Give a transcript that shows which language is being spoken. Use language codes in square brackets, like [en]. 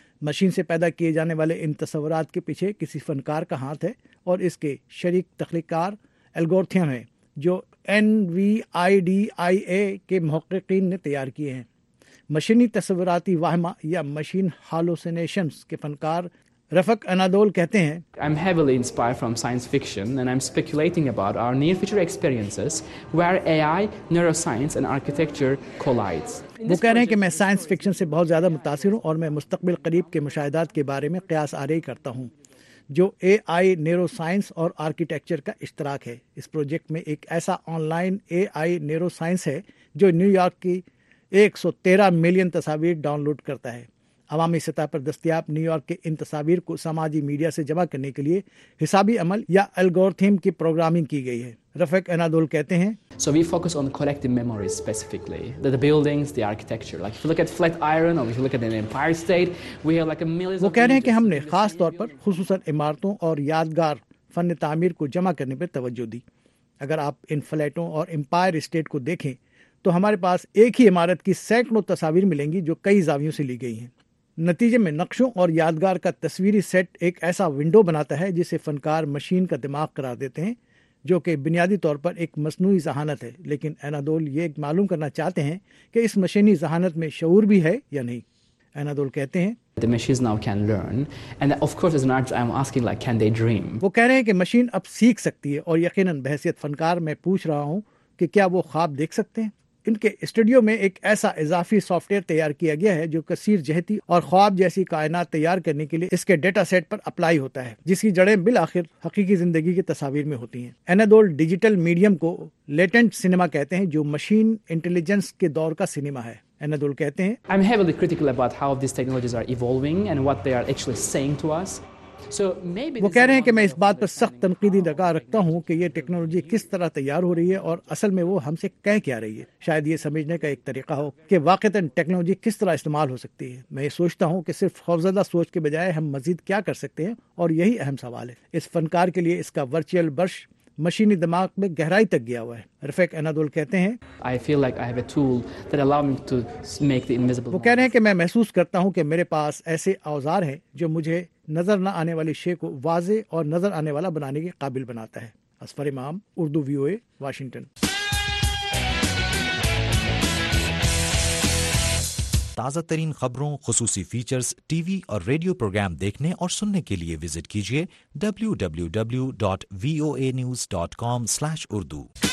[ur] Machine سے پیدا کیے جانے والے ان تصورات کے پیچھے کسی فنکار کا ہاتھ ہے اور اس کے شریک تخلیق کار الگورتھیم ہیں جو NVIDIA کے محققین نے تیار کیے ہیں. مشینی تصوراتی واہمہ یا مشین ہالوسینیشنز کے فنکار رفق انادول کہتے ہیں, [en] I'm heavily inspired from science fiction and I'm speculating about our near future experiences where AI, neuroscience and architecture collides. [ur] وہ کہہ رہے ہیں کہ میں سائنس فکشن سے بہت زیادہ متاثر ہوں اور میں مستقبل قریب کے مشاہدات کے بارے میں قیاس آرائی کرتا ہوں جو AI, neuroscience اور آرکیٹیکچر کا اشتراک ہے. اس پروجیکٹ میں ایک ایسا آن لائن AI neuroscience ہے جو نیو یارک کی 113 million تصاویر ڈاؤن لوڈ کرتا ہے. عوامی سطح پر دستیاب نیو یارک کے ان تصاویر کو سماجی میڈیا سے جمع کرنے کے لیے حسابی عمل یا الگورتھم کی پروگرامنگ کی گئی ہے. رفیق انادول کہتے ہیں, [en] So we focus on collective memories specifically, the buildings, the architecture. Like if you look at Flatiron or if you look at an Empire State, we have like a millions of... [ur] وہ کہہ رہے ہیں کہ ہم نے خاص طور پر خصوصاً عمارتوں اور یادگار فن تعمیر کو جمع کرنے پر توجہ دی. اگر آپ ان فلیٹوں اور امپائر اسٹیٹ کو دیکھیں تو ہمارے پاس ایک ہی عمارت کی سینکڑوں تصاویر ملیں گی جو کئی زاویوں سے لی گئی ہیں. نتیجے میں نقشوں اور یادگار کا تصویری سیٹ ایک ایسا ونڈو بناتا ہے جسے فنکار مشین کا دماغ قرار دیتے ہیں جو کہ بنیادی طور پر ایک مصنوعی ذہانت ہے. لیکن انادول یہ معلوم کرنا چاہتے ہیں کہ اس مشینی ذہانت میں شعور بھی ہے یا نہیں. انادول کہتے ہیں, [en] The machines now can learn and of course as an artist I'm asking like can they dream. [ur] وہ کہہ رہے ہیں کہ مشین اب سیکھ سکتی ہے اور یقیناً بحیثیت فنکار میں پوچھ رہا ہوں کہ کیا وہ خواب دیکھ سکتے ہیں. ان کے اسٹوڈیو میں ایک ایسا اضافی سافٹ ویئر تیار کیا گیا ہے جو کثیر جہتی اور خواب جیسی کائنات تیار کرنے کے لیے اس کے ڈیٹا سیٹ پر اپلائی ہوتا ہے جس کی جڑیں بالآخر حقیقی زندگی کی تصاویر میں ہوتی ہیں. انادول ڈیجیٹل میڈیم کو لیٹنٹ سینما کہتے ہیں جو مشین انٹیلیجنس کے دور کا سینما ہے. انادول کہتے ہیں, [en] I'm heavily critical about how these technologies are evolving and what they are actually saying to us. So maybe [ur] وہ کہہ رہے ہیں کہ میں اس بات پر سخت تنقیدی نگاہ رکھتا ہوں کہ یہ ٹیکنالوجی کس طرح تیار ہو رہی ہے اور اصل میں وہ ہم سے کہہ کیا رہی ہے. شاید یہ سمجھنے کا ایک طریقہ ہو کہ واقعتاً ٹیکنالوجی کس طرح استعمال ہو سکتی ہے. میں یہ سوچتا ہوں کہ صرف خوفزدہ سوچ کے بجائے ہم مزید کیا کر سکتے ہیں, اور یہی اہم سوال ہے. اس فنکار کے لیے اس کا ورچوئل برش مشینی دماغ میں گہرائی تک گیا ہوا ہے. رفیق انادول کہتے ہیں, [en] I feel like I have a tool that allow me to make the invisible. [ur] وہ کہہ رہے ہیں کہ میں محسوس کرتا ہوں کہ میرے پاس ایسے اوزار ہیں جو مجھے نظر نہ آنے والی شے کو واضح اور نظر آنے والا بنانے کے قابل بناتا ہے. اسفر امام, اردو ویو اے, واشنگٹن. تازہ ترین خبروں, خصوصی فیچرز, ٹی وی اور ریڈیو پروگرام دیکھنے اور سننے کے لیے وزٹ کیجیے www.voanews.com/urdu.